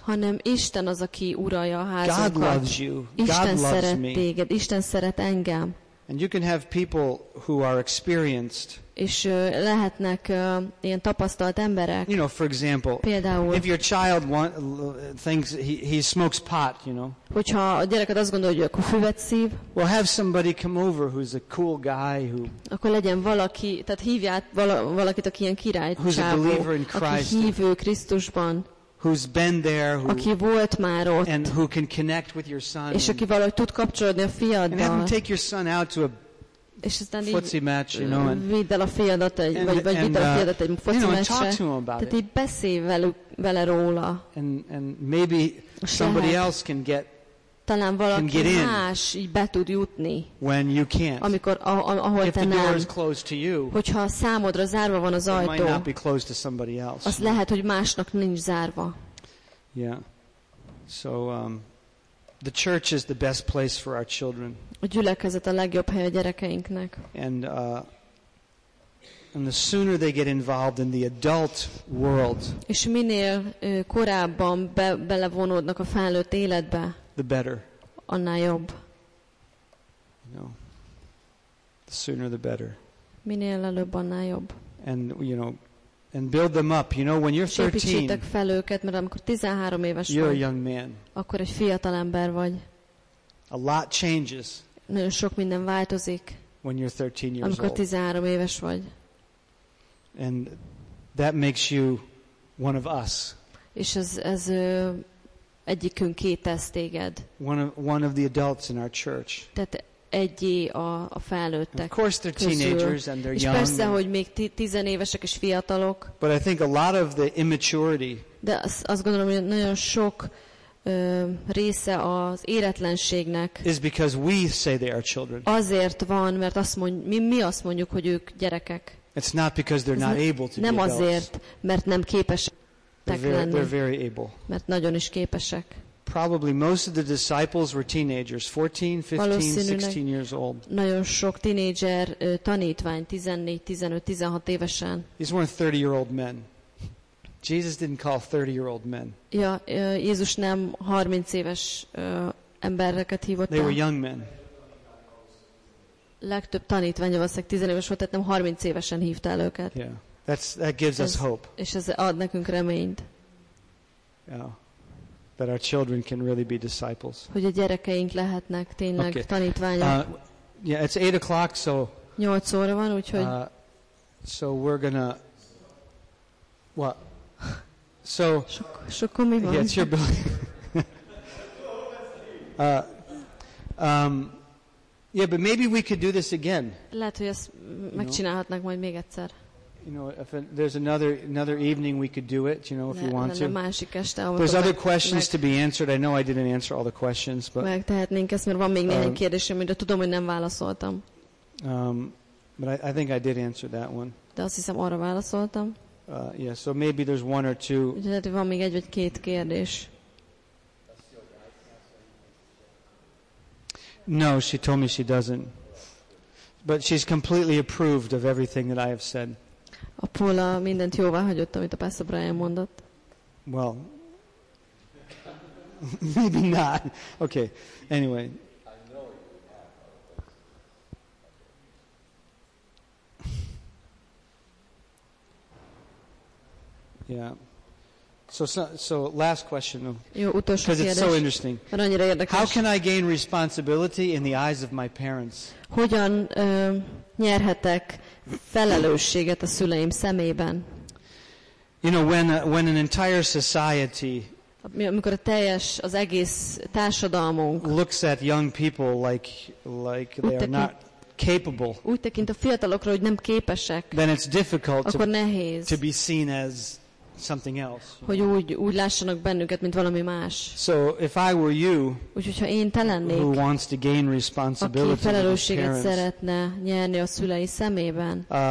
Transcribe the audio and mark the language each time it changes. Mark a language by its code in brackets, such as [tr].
[hu] Hanem Isten az, aki uralja a házunkat. [en] God loves you. God loves me. [hu] Isten szeret engem. [en] And you can have people who are experienced. [hu] És lehetnek ilyen tapasztalt emberek. [en] You know, for example, [hu] például, [en] if your child thinks he smokes pot, you know. [hu] Hogyha a gyereked azt gondolja, hogy füvet szív. [en] Well, have somebody come over who's a cool guy who. [hu] Akkor legyen valaki, tehát hívját valakit, aki ilyen király csávó. [en] Who's a believer in Christ. [hu] Aki hívő Krisztusban. [en] Who's been there? Who, [hu] aki volt már ott. [en] And who can connect with your son. [hu] És aki valahogy tud kapcsolódni a fiaddal. [en] And have him take your son out to a footsy match, you know, and [hu] vidd el a fiadat egy foci meccsre. [en] You know, and talk to him about it. [hu] Tehát beszélj vele róla. [en] And maybe somebody else can get in. [hu] Talán valaki más így be tud jutni. [en] When you can't. [hu] Amikor ahol [en] if [hu] te nem. [en] If the door is closed to you. [hu] Hogyha számodra zárva van az ajtó. [en] It might not be closed to somebody else. [hu] Az lehet, hogy másnak nincs zárva. [en] Yeah. So the church is the best place for our children. [hu] A gyülekezet a legjobb hely a gyerekeinknek. [en] And the sooner they get involved in the adult world. [hu] És minél korábban belevonódnak a felnőtt életbe. [en] The better. [hu] Annál jobb. [en] No. The sooner the better. [hu] Minél előbb, annál jobb. [en] And you know, and build them up. You know, when you're 13. [hu] Építsétek fel őket, mert amikor 13 éves vagy. [en] You're a young man. [hu] Akkor egy fiatal ember vagy. [en] A lot changes. [hu] Nagyon sok minden változik. [en] When you're 13 years old. [hu] Amikor 13 éves vagy. [en] And that makes you one of us. [hu] És ez egyikünké tesz téged. [en] One of the adults in our church. [hu] Tehát egyé a felnőttek. [en] Of course they're teenagers and they're young. [hu] És persze, hogy még 10 évesek és fiatalok. [en] But I think a lot of the immaturity. [hu] De azt gondolom, hogy nagyon sok része az éretlenségnek. [en] Is because we say they are children. [hu] Azért van, mert mi azt mondjuk, hogy ők gyerekek. [en] It's not because they're not able to be adults. [hu] Nem azért, mert nem képesek lenni. [en] They're very able. [hu] Mert nagyon is képesek. [en] probably most of the disciples were teenagers, 14, 15, 16 years old. [hu] Nagyon sok tinédzser tanítvány, 14, 15, 16 évesen. [en] These weren't 30-year-old men. Jesus didn't call 30-year-old men. [hu] Ja, Jézus nem 30 éves embereket hívott. [en] They were young men. [hu] Legtöbb tanítványa valószínűleg 15 éves volt, tehát nem 30 évesen hívta el őket. [en] Yeah. That gives us hope. [hu] És ez ad nekünk reményt. [en] Yeah. That our children can really be disciples. [hu] Hogy a gyerekeink lehetnek tényleg tanítványok. [en] Yeah, it's 8 o'clock, so [hu] 8 óra van, úgyhogy [en] so we're gonna what? So [hu] sokkal mi van? [en] Yeah, it's your building. Yeah, but maybe we could do this again. [hu] Lehet, hogy ezt megcsinálhatnak majd még egyszer. [en] You know, if there's another evening we could do it, you know, if you want to. [hu] Másik este, [en] there's other questions to be answered. I know I didn't answer all the questions, but [hu] megtehetnénk ezt, mert van még néhány kérdésem, mire tudom, hogy nem válaszoltam. [en] But I think I did answer that one. [hu] De azt hiszem, arra válaszoltam. [en] Yeah, so maybe there's one or two. [hu] De lehet, hogy van még egy vagy két kérdés. [en] No, she told me she doesn't. But she's completely approved of everything that I have said. [hu] A Paula mindent jóvá hagyott, amit a Pastor Brian mondott. [en] Well, maybe not. Okay, anyway. Yeah. So last question. [hu] Jó, utolsó kérdés. [en] Because it's so interesting. [hu] Annyira érdekes. [en] How can I gain responsibility in the eyes of my parents? [hu] Hogyan nyerhetek felelősséget a szüleim szemében? [en] You know, when an entire society, [hu] amikor a teljes, az egész társadalmunk [en] looks at young people like they are not capable. [hu] Úgy tekint a fiatalokra, hogy nem képesek. [en] Then it's difficult [hu] akkor nehéz [en] to be seen as something else. [hu] Hogy úgy lássanak bennünket, mint valami más. [en] So if I were you, [hu] hogyha én te lennék, [en] who wants to gain responsibility, [hu] aki felelősséget szeretne nyerni a szülei szemében,